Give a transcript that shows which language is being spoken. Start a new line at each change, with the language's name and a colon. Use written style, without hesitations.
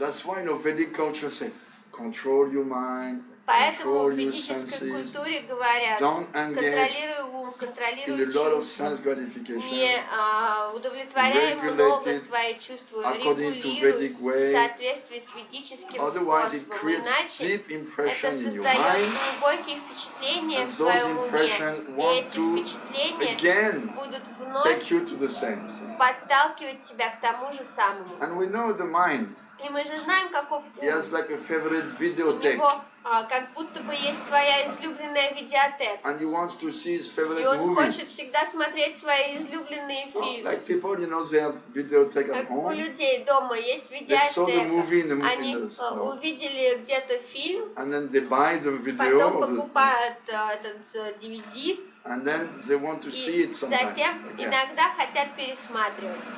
English: That's why in Vedic culture say, control your mind.
Russian: Поэтому в ведической культуре говорят, контролируй ум, контролируй чувства, не удовлетворяй много свои чувства, регулируй в соответствии с ведическим способом, иначе это создает глубокие впечатления в твоем уме, и эти впечатления будут вновь подталкивать тебя к тому же самому. И мы же знаем, каков ум. У него как будто бы есть своя излюбленная видеотека.
English: And he wants to see his favorite
Russian: и он хочет всегда смотреть свои излюбленные фильмы.
English: Oh, like people, you know, they have videotheque at home.
Russian: У людей дома есть видеотека.
English: They saw the movie in the movie.
Russian: Они увидели где-то фильм.
English: And then they buy the video.
Russian: Потом покупают этот DVD.
English: And then they want to see it sometimes.
Russian: И иногда хотят пересматривать.